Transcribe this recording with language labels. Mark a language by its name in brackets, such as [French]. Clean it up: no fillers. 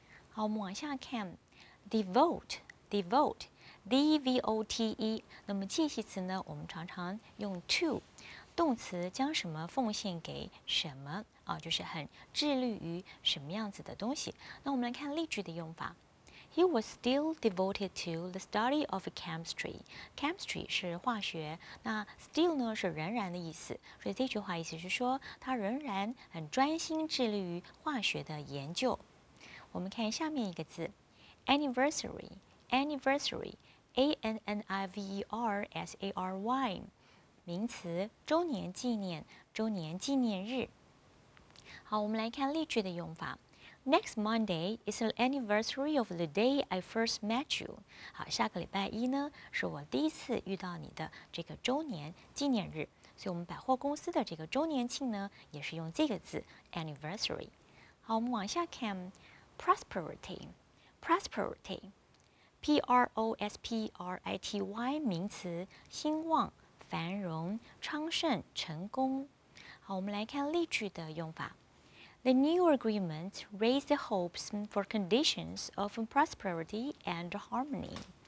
[Chinese] 好，我们往下看 ，devote，devote，D-E-V-O-T-E。那么介系词呢，我们常常用 to。动词将什么奉献给什么、就是很致力于什么样子的东西。那我们来看例句的用法。 [English] He was still devoted to the study of chemistry. [Chinese] Chemistry 是化学，那 still 呢是仍然的意思。所以这句话意思是说，他仍然很专心致力于化学的研究。我们看下面一个字 ，anniversary, anniversary, anniversary, 名词，周年纪念，周年纪念日。好，我们来看例句的用法。 [English] Next Monday is the anniversary of the day I first met you. [Chinese] 好，下个礼拜一呢，是我第一次遇到你的这个周年纪念日。所以我们百货公司的这个周年庆呢，也是用这个字 anniversary。好，我们往下看 prosperity, prosperity, P-R-O-S-P-R-I-T-Y, 名词，兴旺、繁荣、昌盛、成功。好，我们来看例句的用法。 [English] The new agreement raised the hopes for conditions of prosperity and harmony.